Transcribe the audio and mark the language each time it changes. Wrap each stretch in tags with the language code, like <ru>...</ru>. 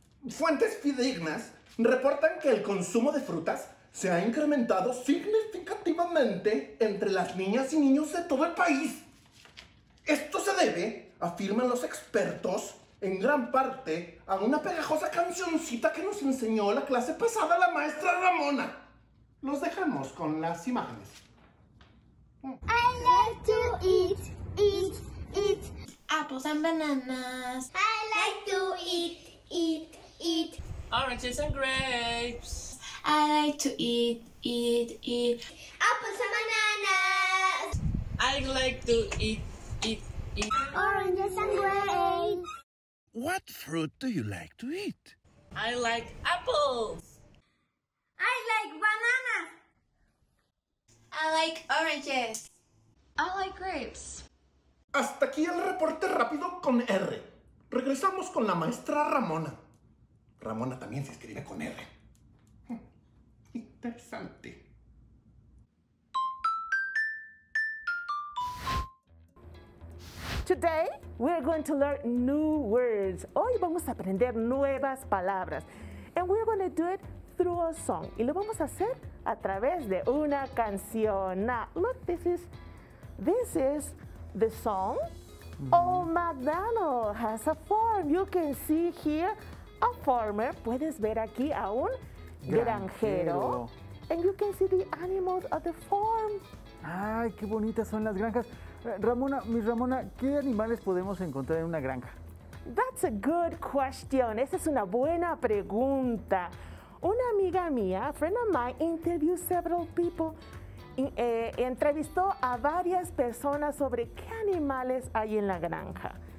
<es>Fuentes fidedignas reportan que el consumo de frutas se ha incrementado significativamente entre las niñas y niños de todo el país. Esto se debe, afirman los expertos, en gran parte a una pegajosa cancioncita que nos enseñó la clase pasada la maestra Ramona. Los dejamos con las imágenes.</es> <en>I like to eat, eat, eat apples and bananas. I like to eat, eat, eat oranges and grapes. I like to eat, eat, eat apples and bananas. I like to eat. Oranges and grapes. What fruit do you like to eat? I like apples. I like bananas. I like oranges. I like grapes.</en> <es>Hasta aquí el reporte rápido con R. Regresamos con la maestra Ramona. Ramona también se escribe con R. Interesante.</es> <en>Today, we're going to learn new words.</en> <es>Hoy vamos a aprender nuevas palabras.</es> <en>And we're going to do it through a song.</en> <es>Y lo vamos a hacer a través de una canción.</es> <en>Now, look, this is the song. Old MacDonald has a farm. You can see here a farmer.</en> <es>Puedes ver aquí a un granjero.</es> <en>And you can see the animals at the farm.</en> <es>Ay, qué bonitas son las granjas. Ramona, mi Ramona, ¿qué animales podemos encontrar en una granja?</es> <en>That's a good question.</en> <es>Esa es una buena pregunta. Una amiga mía,</es> <en>a friend of mine, interviewed several people.</en> <es>Entrevistó a varias personas sobre qué animales hay en la granja.</es>